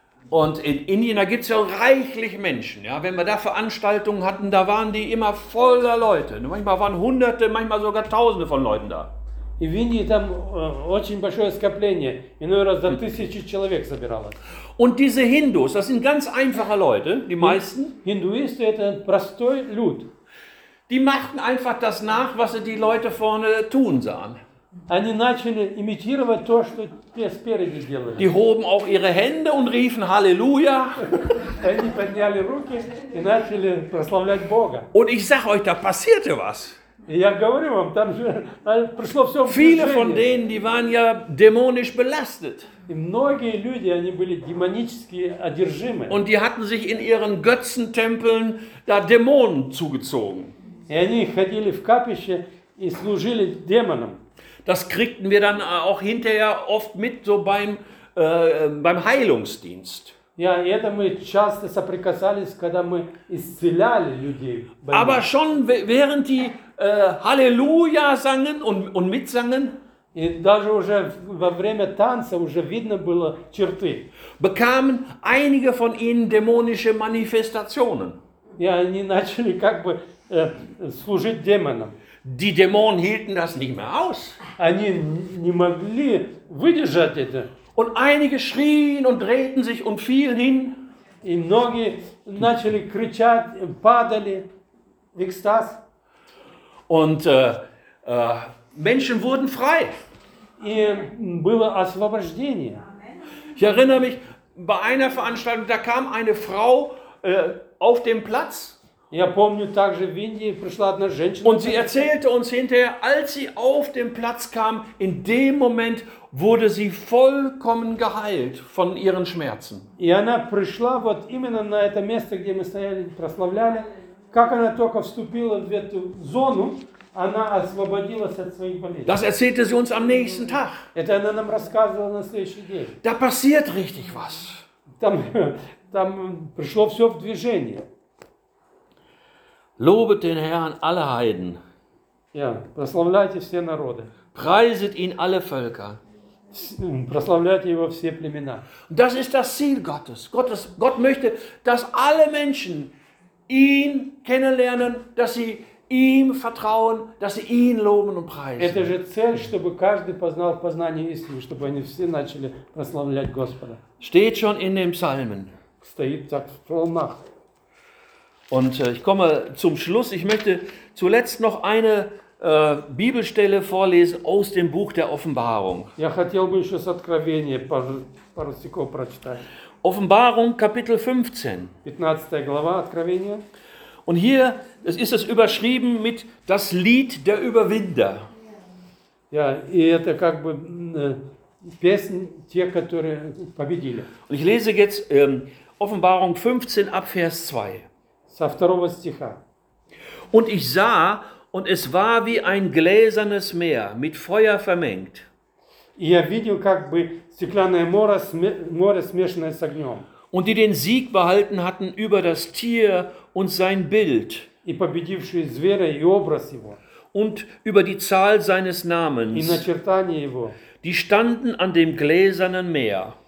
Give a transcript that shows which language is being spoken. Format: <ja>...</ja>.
<de>Und in Indien, da gibt es ja reichlich Menschen. Ja? Wenn wir da Veranstaltungen hatten, da waren die immer voller Leute. Manchmal waren Hunderte, manchmal sogar Tausende von Leuten da.</de> <ru>И в Индии там очень большое скопление. Иной раз за тысячи человек собиралось.</ru> <de>Und diese Hindus, das sind ganz einfache Leute, die meisten.</de> <ru>Hinduisten, это простой люд.</ru> <de>Die machten einfach das nach, was sie die Leute vorne tun sahen.</de> <ru>Они начали имитировать то, что те спереди делали.</ru> <de>Die hoben auch ihre Hände und riefen Halleluja.</de> <ru>Они подняли руки и начали прославлять Бога.</ru> <de>Und ich sag euch, da passierte was.</de> <ru>Я говорю вам, там же пришло все в движение.</ru> <de>Viele von denen, die waren ja dämonisch belastet.</de> <ru>И многие люди, они были демонически одержимы.</ru> <de>Und die hatten sich in ihren Götzentempeln da Dämonen zugezogen.</de> <ru>И они ходили в капище и служили демонам.</ru> <de>Das kriegten wir dann auch hinterher oft mit so beim Heilungsdienst.</de> <ru>Ja, это мы часто соприкасались, когда мы исцеляли людей.</ru> <de>Aber schon während die Halleluja sangen und mitsangen,</de> <ru>и даже уже во время танца уже видно было черты,</ru> <de>bekamen einige von ihnen dämonische Manifestationen.</de> <ru>Ja, они начали как бы служить демонам.</ru> <de>Die Dämonen hielten das nicht mehr aus.</de> <ru>Они не могли выдержать это.</ru> <de>Und einige schrien und drehten sich und fielen hin.</de> <ru>И многие начали кричать, падали в экстаз.</ru> <de>Und Menschen wurden frei.</de> <ru>И было освобождение.</ru> <de>Ich erinnere mich, bei einer Veranstaltung, da kam eine Frau auf den Platz.</de> <ru>Я помню, также в Индии пришла одна женщина.</ru> <de>Und sie erzählte uns hinterher, als sie auf den Platz kam, in dem Moment wurde sie vollkommen geheilt von ihren Schmerzen.</de> <ru>И она пришла вот именно на это место, где мы стояли, прославляли. Как она только вступила в эту зону, она освободилась от своих болезней.</ru> <de>Das erzählte sie uns am nächsten Tag.</de> <ru>Это она нам рассказывала на следующий день.</ru> <de>Da passiert richtig was.</de> <ru>Там пришло все в движение.</ru> <de>Lobet den Herrn, alle Heiden.</de> <ru>Ja, прославляйте все народы.</ru> <de>Preiset ihn, alle Völker.</de> <ru>Прославляйте его все племена.</ru> <de>Das ist das Ziel Gottes. Gott möchte, dass alle Menschen ihn kennenlernen, dass sie ihm vertrauen, dass sie ihn loben und preisen.</de> <ru>Это же цель, чтобы каждый познал познание истины, чтобы они все начали прославлять Господа.</ru> <de>Steht schon in den Psalmen.</de> <ru>Стоит так в Псалмах.</ru> <de>Und ich komme zum Schluss. Ich möchte zuletzt noch eine Bibelstelle vorlesen aus dem Buch der Offenbarung.</de> <ru>Я хотел бы ещё с Откровения пару стихов прочитать.</ru> <de>Offenbarung Kapitel 15.</de> <ru>15. глава Откровения.</ru> <de>Und hier ist es überschrieben mit das Lied der Überwinder.</de> <ru>Ja, и это как бы песнь тех, которые победили.</ru> <de>Und ich lese jetzt Offenbarung 15 ab Vers 2.</de> <ru>Со второго стиха.</ru> <de>Und ich sah, und es war wie ein gläsernes Meer mit Feuer vermengt.</de> <ru>И я видел, как бы стеклянное море, смешанное с огнем.</ru> <de>Und die den Sieg behalten hatten über das Tier und sein Bild.</de> <ru>И победившие зверя и образ его.</ru> <de>Und über die Zahl seines Namens.</de> <ru>И начертание его.</ru> <de>Die standen an dem gläsernen Meer.</de>